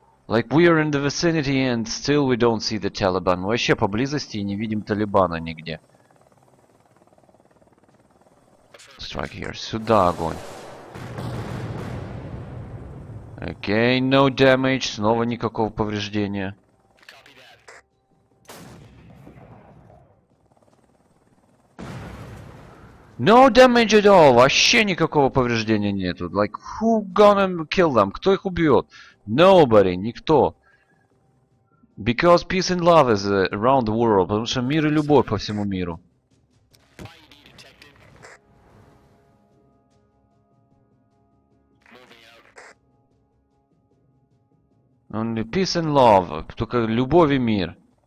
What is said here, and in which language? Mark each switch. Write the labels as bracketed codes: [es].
[en] Like, we are in the vicinity and still we don't see the Taliban. [ru] Мы вообще поблизости и не видим Талибана нигде. [en] Strike here. [ru] Сюда огонь. [en] Окей, no damage. [ru] Снова никакого повреждения. [en] No damage at all. [ru] Вообще никакого повреждения нету. [en] Like, who gonna kill them? [ru] Кто их убьет? [en] Nobody. [ru] Никто. [en] Because peace and love is around the world. [ru] Потому что мир и любовь по всему миру. [en] Only peace and love, [ru] только любовь и мир.